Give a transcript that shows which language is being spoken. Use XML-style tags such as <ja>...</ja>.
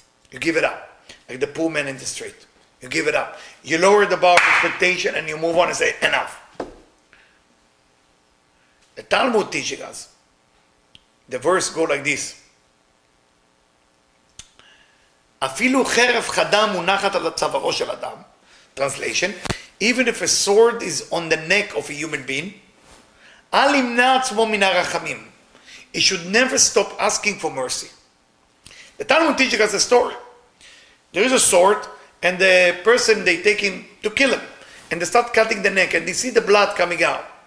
<en>You give it up, like the poor man in the street. You give it up. You lower the bar of expectation and you move on and say, enough. The Talmud teaching us, the verse goes like this.</en> <he>אפילו חרב חדם מונחת על צווארו של אדם.</he> <en>Translation, even if a sword is on the neck of a human being,</en> <he>אל ימנע עצמו מן הרחמים.</he> <en>He should never stop asking for mercy. The Talmud teaches us a story. There is a sword, and the person, they take him to kill him, and they start cutting the neck, and they see the blood coming out.</en>